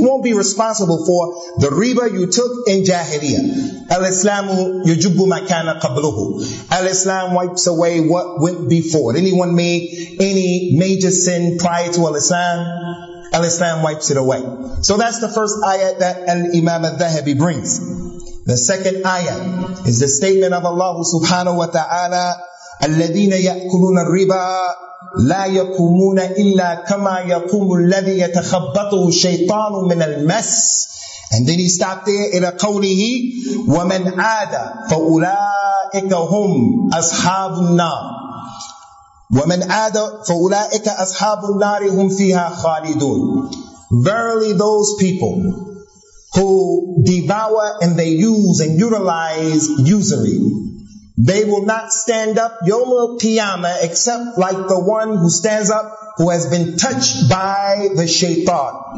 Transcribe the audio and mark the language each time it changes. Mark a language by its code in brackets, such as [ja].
[en] You won't be responsible for the riba you took in Jahiliyyah. [ar] Al-Islamu yujubbu ma kana qabluhu. [en] Al-Islam wipes away what went before. Anyone made any major sin prior to Al-Islam? Al-Islam wipes it away. So that's the first ayat that Al-Imam al-Dhahabi brings. The second ayat is the statement of Allah subhanahu wa ta'ala, [ar] الَّذِينَ يَأْكُلُونَ الرِّبَى لَا يَقُومُونَ إِلَّا كَمَا يَقُومُ الَّذِي يَتَخَبَّطُهُ الشَّيْطَانُ مِنَ الْمَسِ. [en] And then he stopped there [ar] إلى قوله وَمَنْ عَادَ فَأُولَٰئِكَ هُمْ أَصْحَابُ النَّارِ وَمَنْ عَادَ فَأُولَٰئِكَ أَصْحَابُ النَّارِ هُمْ فِيهَا خَالِدُونَ. [en] Verily those people who devour and they use and utilize usury, they will not stand up [ar] يوم القيامة [en] except like the one who stands up who has been touched by the shaytan.